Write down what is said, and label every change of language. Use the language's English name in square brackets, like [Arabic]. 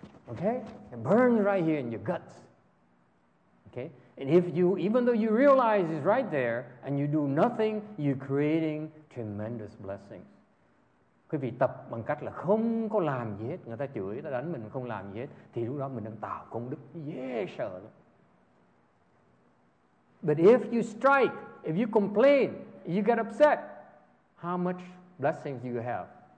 [English] Okay, it burns right here in your guts. Okay, and if you, even though you realize it's right there and you do nothing, you're creating tremendous blessings. [Vietnamese] Quý vị tập bằng cách là không có làm gì hết, người ta chửi, người ta đánh mình không làm gì hết, thì lúc đó mình đang tạo công đức dễ sợ lắm. [English] But if you strike, if you complain, you get upset, how much blessings do you have?